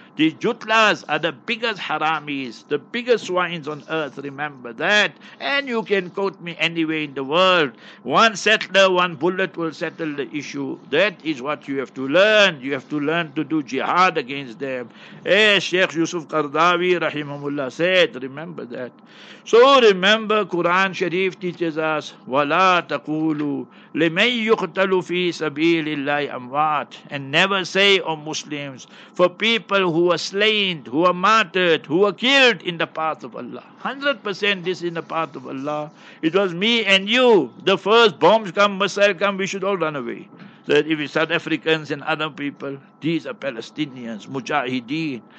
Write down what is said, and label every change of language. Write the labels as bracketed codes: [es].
[en] These Jutlas are the biggest haramis, the biggest swines on earth, remember that. And you can quote me anywhere in the world. One settler, one bullet will settle the issue. That is what you have to learn. You have to learn to do jihad against them. As Sheikh Yusuf Qardawi, rahimahullah, said, remember that. So remember, Quran Sharif teaches us, [ar] وَلَا تَقُولُوا لِمَنْ يُقْتَلُ فِي سَبِيلِ اللَّهِ أَمْوَاتِ. [en] And never say, O Muslims, for people who were slain, who were martyred, who were killed in the path of Allah. 100% this is in the path of Allah. It was me and you. The first bombs come, missile come, we should all run away. that if it's South Africans and other people, these are Palestinians, Mujahideen.